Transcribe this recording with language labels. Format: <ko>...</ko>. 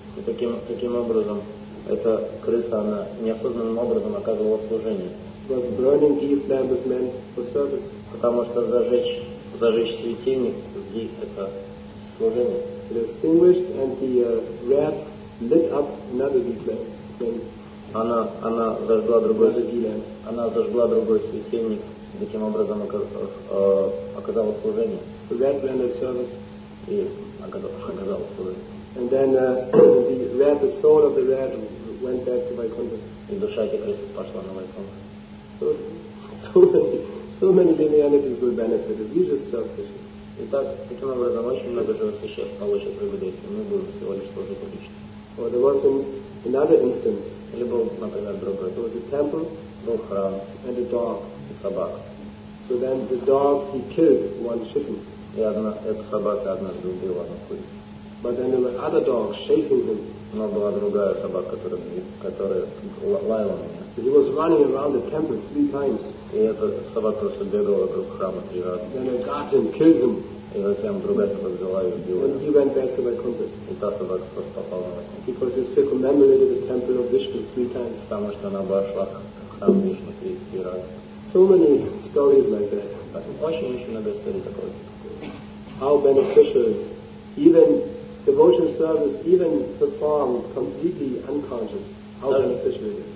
<ru>И таким образом эта крыса, она неосознанным образом оказывала служение.</ru> <en>Was burning ghee flame was meant for service.</en> <ru>Потому что зажечь светильник ghee — это служение.</ru> <en>It extinguished and the rat lit up another ghee flame.</en> <ru>Она зажгла другой светильник. Она зажгла другой светильник, таким образом оказала служение.</ru> <en>The rat rendered service.</en> <ru>И оказала служение.</ru> <en>And then the rat, the soul of the rat, went back to Vaikuntha.</en> <ru>И душа этой крысы пошла на Вайкунтху.</ru> <en>So many divinities will benefit if you just serve Krishna.</en> <ru>Итак, таким образом, очень много живых существ получат выгоду, если мы будем всего лишь служить лично.</ru> <en>Or there was another instance.</en> <ru>Либо, например, другое.</ru> <en>There was a temple,</en> <ru>был храм,</ru> <en>and a dog,</en> <ru>и собака.</ru> <en>So then the dog, he killed one chicken.</en> <ru>И одна эта собака однажды убила одну курицу.</ru> <en>But then there were other dogs chasing him.</en> <ru>Но была другая собака, которая лаяла на меня.</ru> <en>He was running around the temple three times.</en> <ru>И эта собака просто бегала вокруг храма три раза.</ru> <en>Then a guardian killed him.</en> <ru>И затем другая собака взяла и убила.</ru> <en>And he went back to Vaikuntha.</en> <ru>И та собака просто попала на Vaikuntha.</ru> <en>Because he circumambulated the temple of Vishnu three times.</en> <ru>Потому что она обошла храм Вишну три раза.</ru> <en>So many stories like that.</en> <ru>Очень много историй такого.</ru> <en>How beneficial, even devotional service, even performed completely unconscious, how beneficial it is.</en>